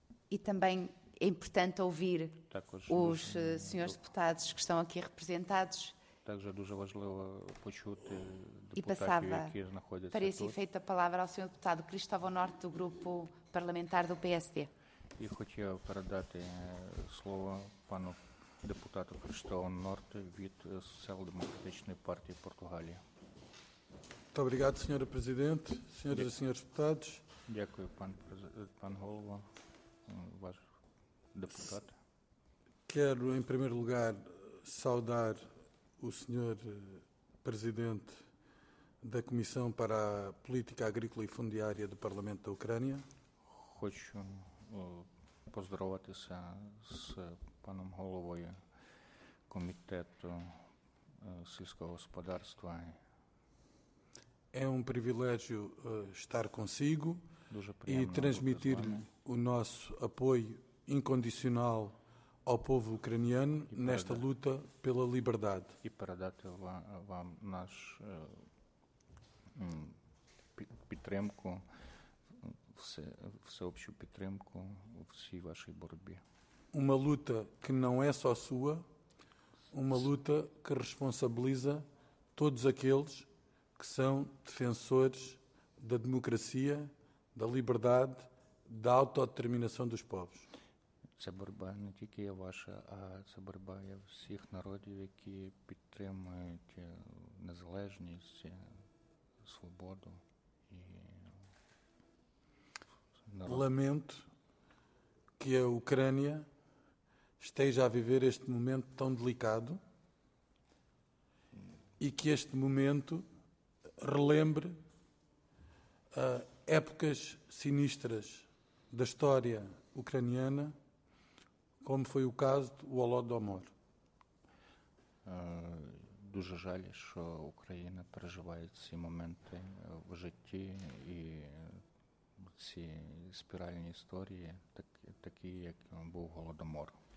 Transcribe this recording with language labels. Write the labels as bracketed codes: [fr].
[pt] E também é importante ouvir os senhores deputados que estão aqui representados. [uk] Также дуже важливо почути депутатів, які знаходяться тут. І [pt] passava, para esse efeito, a palavra ao senhor deputado Cristóvão Norte, do grupo parlamentar do PSD. [uk] І хотів передати слово пану депутату Cristóvão Norte від Социал-демократичної партії Португалії. [pt] Muito obrigado, senhor presidente, senhores e senhores deputados. [uk] Дякую, пан голова, ваш депутат. [pt] Quero, em primeiro lugar, saudar o senhor presidente da Comissão para a Política Agrícola e Fundiária do Parlamento da Ucrânia. [uk] Хочу поздороватися з паном головою комітету сільського господарства. [pt] É um privilégio estar consigo e transmitir-lhe o nosso apoio incondicional ao povo ucraniano nesta luta pela liberdade. E para dar [uk] вам наш підтримку, всеобщу підтримку у всій вашій боротьбі. [pt] Uma luta que não é só sua, uma luta que responsabiliza todos aqueles que são defensores da democracia, da liberdade, da autodeterminação dos povos. [uk] Ця боротьба не тільки є ваша, а це боротьба є всіх народів, які підтримують незалежність, свободу і народ. [pt] Lamento que a Ucrânia esteja a viver este momento tão delicado e que este momento relembre épocas sinistras da história ucraniana, como foi o caso do Holodomor. [uk] Дуже жаль, що Україна переживає ці моменти в житті і ці спіральні історії, такі, як був Голодомор.